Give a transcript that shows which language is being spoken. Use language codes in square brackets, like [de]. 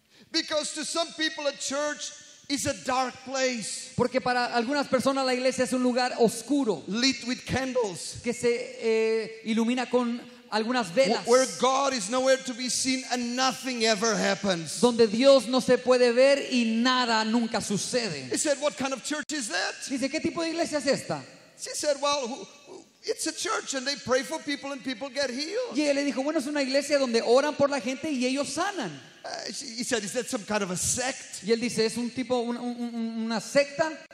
[en] Because to some people a church is a dark place. [es] Porque para algunas personas la iglesia es un lugar oscuro. [en] Lit with candles. [es] Que se ilumina con algunas velas. [en] Where God is nowhere to be seen and nothing ever happens. [es] Donde Dios no se puede ver y nada nunca sucede. [en] He said, "What kind of church is that?" [es] Dice, ¿qué tipo de iglesia es esta? [en] She said, "Well, it's a church and they pray for people and people get healed." [es] Y él le dijo, "Bueno, es una iglesia donde oran por la gente y ellos sanan." [en] He said, "Is that some kind of a sect?" [es] Y él dice, "¿Es un tipo una secta?"